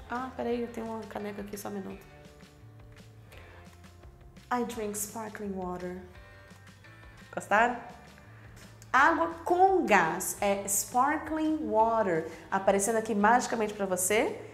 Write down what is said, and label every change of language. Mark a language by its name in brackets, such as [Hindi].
[Portuguese] Ah, peraí, eu tenho uma caneca aqui, só um minuto. [English] I drink sparkling water. [Portuguese] Gostaram? Água com gás é sparkling water. Aparecendo aqui magicamente pra você.